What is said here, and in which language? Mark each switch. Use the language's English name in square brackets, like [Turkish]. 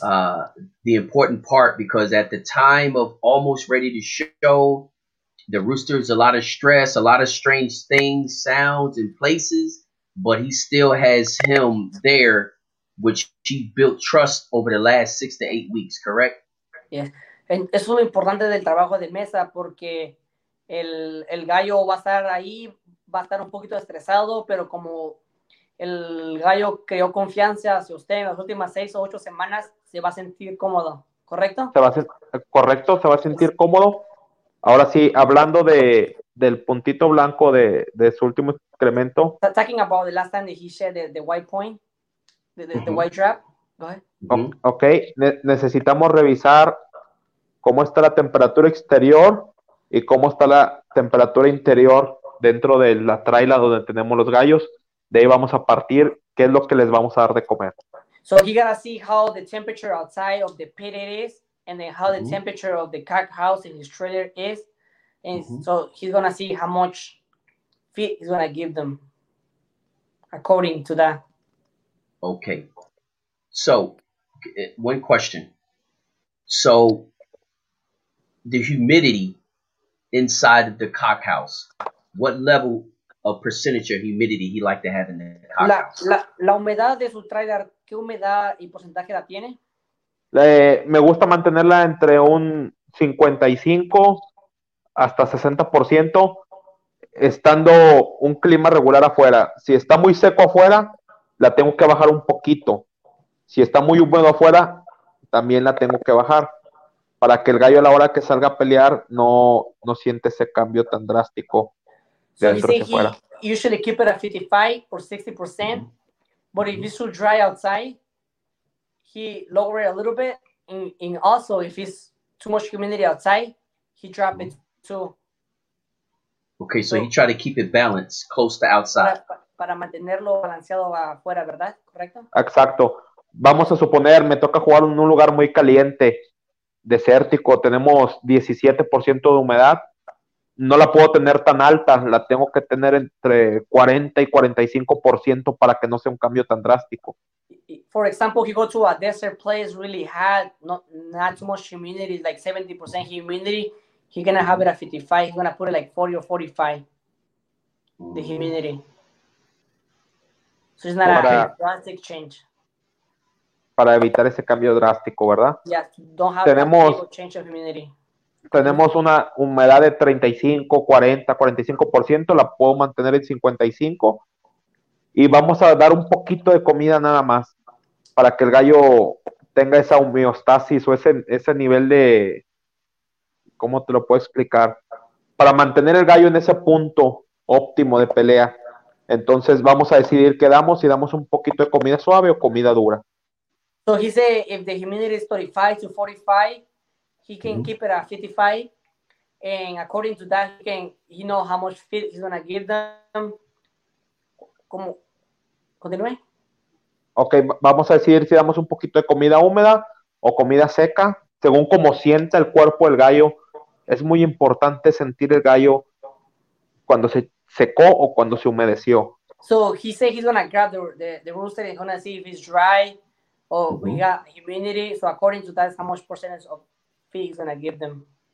[English] The important part, because at the time of almost ready to show, the rooster is a lot of stress, a lot of strange things, sounds, and places. But he still has him there, which he built trust over the last 6 to 8 weeks, correct? Yes. [Spanish] Es lo importante del trabajo de mesa, porque el gallo va a estar ahí, va a estar un poquito estresado, pero como el gallo creó confianza hacia usted en las últimas 6 o 8 semanas, se va a sentir cómodo, ¿correcto? Se va a sentir cómodo. Ahora sí, hablando del puntito blanco de su último incremento. [English] Talking about the last time that he shed the white point, the white drop. Go ahead. [Spanish] Ok, necesitamos revisar cómo está la temperatura exterior y cómo está la temperatura interior dentro de la traila donde tenemos los gallos. De ahí vamos a partir qué es lo que les vamos a dar de comer. [English] So you gotta see how the temperature outside of the pit it is, and then how the temperature of the cock house in his trailer is. And so he's gonna see how much feet he's gonna give them according to that. Okay. So one question. So the humidity inside of the cock house, what level of percentage of humidity he like to have in the cock house? [Spanish] La humedad de su trailer, ¿qué humedad y porcentaje la tiene? Me gusta mantenerla entre un 55 hasta 60%, estando un clima regular afuera. Si está muy seco afuera, la tengo que bajar un poquito. Si está muy húmedo afuera, también la tengo que bajar, para que el gallo a la hora que salga a pelear no siente ese cambio tan drástico dentro que fuera. [English] You should keep it at 55 or 60%, but if it's too dry outside, he lower it a little bit, and also if it's too much humidity outside, he drop it too. Okay, so you try to keep it balanced, close to outside. [Spanish] Para mantenerlo balanceado afuera, ¿verdad? ¿Correcto? Exacto. Vamos a suponer, me toca jugar en un lugar muy caliente, desértico, tenemos 17% de humedad, no la puedo tener tan alta, la tengo que tener entre 40 y 45% para que no sea un cambio tan drástico. [English] For example, you go to a desert place really hot, not too much humidity, like 70% humidity, he's going to have it at 55, he's going to put it like 40 or 45, the humidity. So it's not a drastic change. [Spanish] Para evitar ese cambio drástico, ¿verdad? [English] Yes, don't have a big change of humidity. [Spanish] tenemos una humedad de 35, 40, 45%, la puedo mantener en 55, y vamos a dar un poquito de comida nada más, para que el gallo tenga esa homeostasis o ese nivel de, ¿cómo te lo puedo explicar? Para mantener el gallo en ese punto óptimo de pelea. Entonces vamos a decidir qué damos, si damos un poquito de comida suave o comida dura. [English] So he said if the humidity is 35 to 45, he can keep it at 55. And according to that, he know how much feed he's going to give them. [Spanish] ¿Cómo? ¿Continúe? Ok, vamos a decidir si damos un poquito de comida húmeda o comida seca, según cómo sienta el cuerpo del gallo. Es muy importante sentir el gallo cuando se secó o cuando se humedeció. [English] So he said he's gonna grab the rooster and gonna see if it's dry or we got humidity. So according to that, how much percentage of feed he's gonna give them.